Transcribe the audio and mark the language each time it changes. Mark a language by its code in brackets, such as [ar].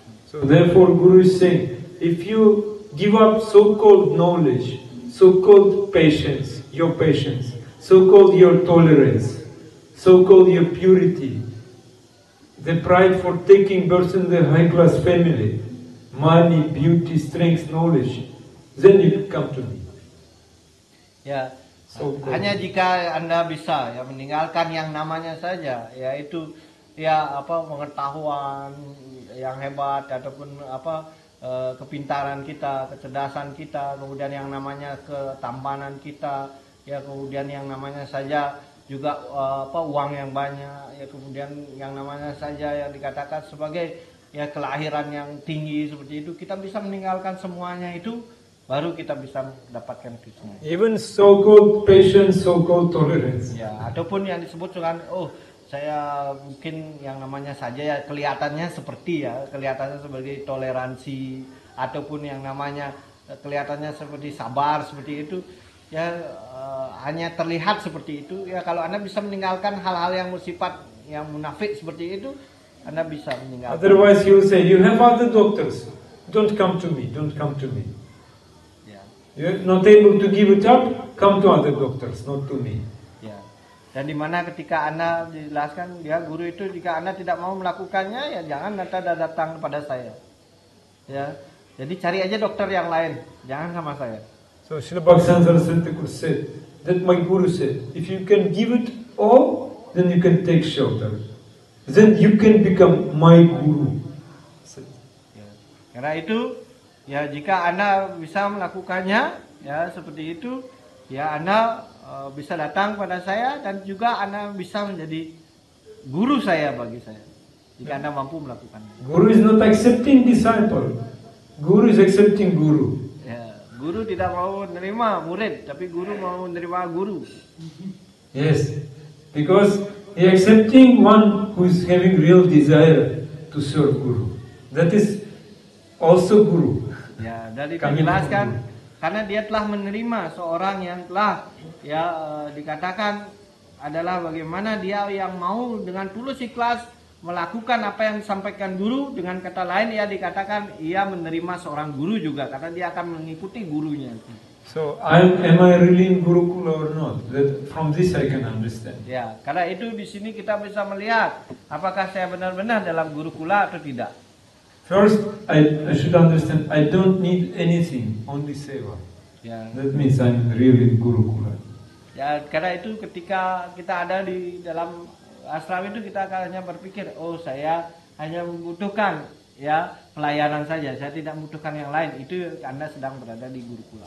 [en] So therefore Guru is saying, if you give up so-called knowledge, so-called patience, so-called your tolerance, so-called your purity, the pride for taking birth in the high-class family, money, beauty, strength, knowledge, then you come to me. [id] Ya, so hanya jika anda bisa ya meninggalkan yang namanya saja, yaitu ya apa pengetahuan yang hebat ataupun apa kepintaran kita, kecerdasan kita, kemudian yang namanya ketampanan kita, ya kemudian yang namanya saja. Juga uang yang banyak ya kemudian yang namanya saja yang dikatakan sebagai ya kelahiran yang tinggi seperti itu kita bisa meninggalkan semuanya itu baru kita bisa mendapatkan Krishna. [en] Even so called patience, so called tolerance. [id] Ya, ataupun yang disebut dengan saya mungkin yang namanya saja ya kelihatannya sebagai toleransi ataupun yang namanya kelihatannya seperti sabar seperti itu ya hanya terlihat seperti itu ya. Kalau Anda bisa meninggalkan hal-hal yang bersifat yang munafik seperti itu, Anda bisa meninggalkan. [en] Otherwise you say you have other doctors, don't come to me. Yeah. You're not able to give it up, come to other doctors, not to me. [id] Dan di mana ketika Anda dijelaskan dia ya, guru itu jika Anda tidak mau melakukannya ya jangan Anda datang kepada saya. Ya. Jadi cari aja dokter yang lain, jangan sama saya. [en] So Srila Bhaktisiddhanta Sarasvati said that my guru said if you can give it all then you can take shelter. Then you can become my guru. [id] Ya. Karena itu ya jika Anda bisa melakukannya ya seperti itu ya Anda bisa datang pada saya dan juga Anda bisa menjadi guru saya bagi saya jika Anda mampu melakukannya. [en] Guru is not accepting disciple. Guru is accepting guru. [id] Ya, guru tidak mau menerima murid, tapi guru mau menerima guru. [en] Yes, because he accepting one who is having real desire to serve guru. That is also guru. [id] Ya, dari penjelasan. Karena dia telah menerima seorang yang telah ya dikatakan adalah bagaimana dia yang mau dengan tulus ikhlas melakukan apa yang disampaikan guru. Dengan kata lain ia dikatakan ia menerima seorang guru juga karena dia akan mengikuti gurunya. [en] So am I really in Gurukul or not? That from this I can understand. [id] Ya, karena itu di sini kita bisa melihat apakah saya benar-benar dalam Gurukula atau tidak. [en] First, I should understand. I don't need anything, only seva. Yeah. That means I'm really Gurukula. [id] Ya, karena itu ketika kita ada di dalam asrama itu kita akan hanya berpikir, saya hanya membutuhkan ya pelayanan saja. Saya tidak membutuhkan yang lain. Itu Anda sedang berada di Gurukula.